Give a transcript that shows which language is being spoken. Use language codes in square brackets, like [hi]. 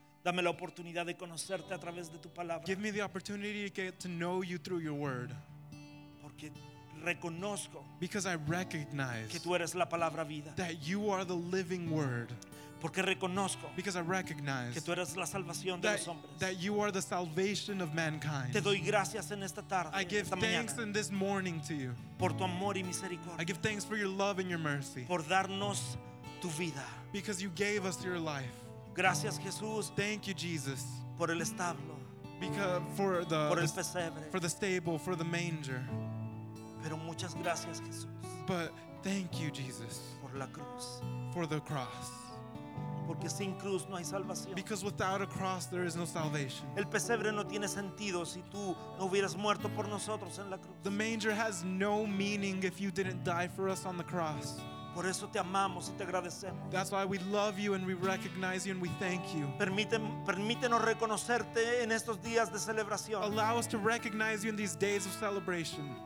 [es] Dame la oportunidad de conocerte a través de tu palabra. [en] Give me the opportunity to get to know you through your word. [es] Porque reconozco, [en] because I recognize, [es] que tú eres la palabra vida, [en] that you are the living word. [es] Porque reconozco, [en] because I recognize, [es] que tú eres la salvación de los hombres, [en] that you are the salvation of mankind. [es] Te doy gracias en esta tarde, [en] I give [es] esta [en] thanks [es] mañana, [en] in this morning to you, [es] por tu amor y misericordia. [en] I give thanks for your love and your mercy, [es] por darnos tu vida. [en] Because you gave us your life. [es] Gracias, Jesús. [en] Thank you, Jesus. [es] Por el establo. [en] Because for the, [es] por el pesebre. [en] For the stable, for the manger. [es] Pero muchas gracias, Jesús. [en] But thank you, Jesus. [es] Por la cruz. [en] For the cross. [es] Porque sin cruz no hay salvación. [en] Because without a cross there is no salvation. [es] El pesebre no tiene sentido si tú no hubieras muerto por nosotros en la cruz. [en] The manger has no meaning if you didn't die for us on the cross. [es] Por eso te amamos y te agradecemos. [en] That's why we love you and we recognize you and we thank you. [es] Permítenos reconocerte en estos días de celebración. [en] Allow us to recognize you in these days of celebration.